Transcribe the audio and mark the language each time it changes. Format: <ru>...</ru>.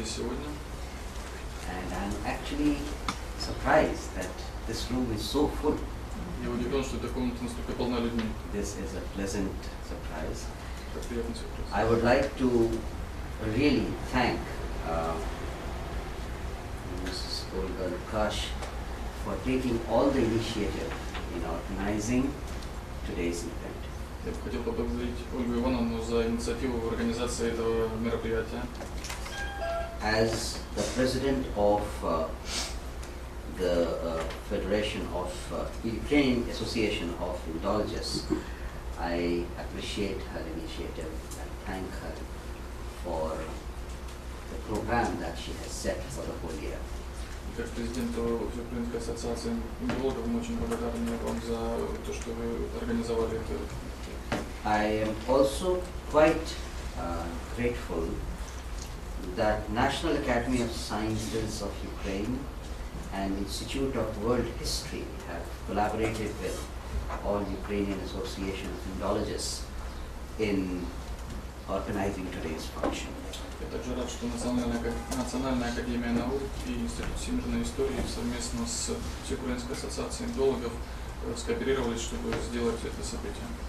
<en>And I'm actually surprised that this room is so full.</en> <ru>Я удивлен, что эта комната настолько полна людьми.</ru> <en>This is a pleasant surprise. I would like to really thank Mrs. Olga Lukash for taking all the initiative in organizing today's event.</en> <ru>Я бы хотел поблагодарить Ольгу Ивановну за инициативу в организации этого мероприятия.</ru> <en>As the president of the Federation of Ukraine Association of Indologists, I appreciate her initiative and thank her for the program that she has set for the whole year.</en> <ru>Как президент Украинской ассоциации индологов, мы очень благодарны вам за то, что вы организовали это.</ru> <en>I am also quite grateful that National Academy of Sciences of Ukraine and Institute of World History have collaborated with all Ukrainian Association of Indologists in organizing today's function.</en> <ru>Я также рад, что Национальная Академия Наук и Институт Всемирной Истории совместно с Всеукраинской Ассоциацией Индологов скооперировались, чтобы сделать это событие.</ru>